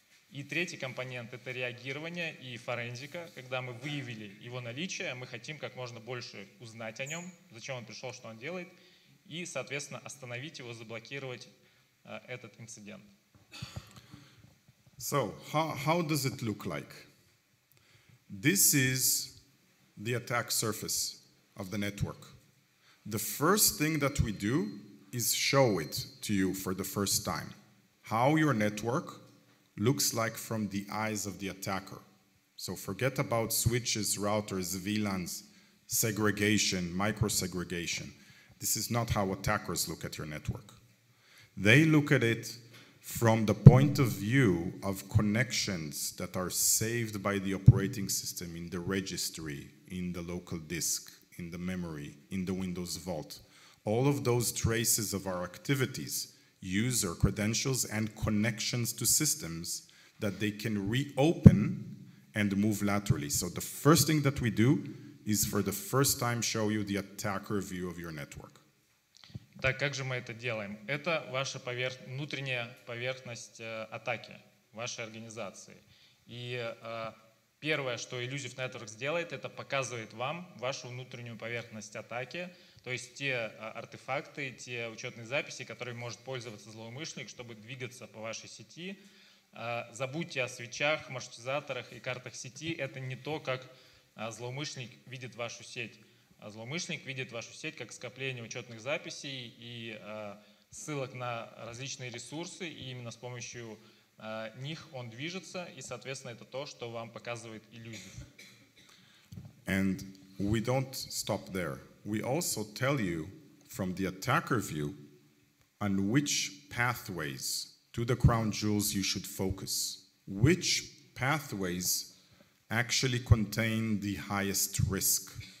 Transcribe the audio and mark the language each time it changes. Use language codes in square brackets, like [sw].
[ru] И третий компонент – это реагирование и форензика. Когда мы выявили его наличие, мы хотим как можно больше узнать о нем, зачем он пришел, что он делает, и, соответственно, остановить его, заблокировать этот инцидент. [en] So, how does it look like? This is the attack surface of the network. The first thing that we do is show it to you for the first time. How your network looks like from the eyes of the attacker. So forget about switches, routers, VLANs, segregation, micro-segregation. This is not how attackers look at your network. They look at it from the point of view of connections that are saved by the operating system in the registry, in the local disk, in the memory, in the Windows vault. All of those traces of our activities, user credentials and connections to systems that they can reopen and move laterally. So the first thing that we do is for the first time show you the attacker view of your network. [ru] Так как же мы это делаем? Это ваша внутренняя поверхность атаки вашей организации. И первое, что Illusive Networks делает, это показывает вам вашу внутреннюю поверхность атаки, то есть те артефакты, те учетные записи, которыми может пользоваться злоумышленник, чтобы двигаться по вашей сети. Забудьте о свитчах, маршрутизаторах и картах сети. Это не то, как злоумышленник видит вашу сеть. Злоумышленник видит вашу сеть как скопление учетных записей и ссылок на различные ресурсы, и именно с помощью них он движется, и, соответственно, это то, что вам показывает иллюзию. [en] And we don't stop there. We also tell you from the attacker view on which pathways to the crown jewels you should focus. Which pathways actually contain the highest risk.